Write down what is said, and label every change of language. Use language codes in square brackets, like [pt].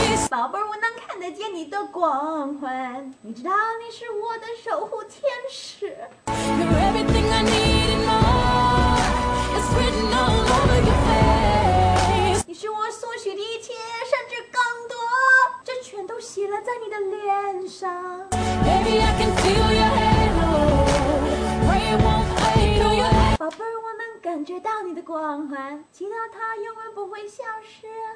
[zh] 宝贝儿，我能看得见你的光环，你知道你是我的守护天使。 [en] You're everything I need and more, it's written all over your face. [zh] 你是我所需的一切，甚至更多，这全都写了在你的脸上。 [en] Baby, I can feel your halo, pray it won't fade to your head. [zh] 宝贝儿，我能感觉到你的光环，祈祷它永远不会消失。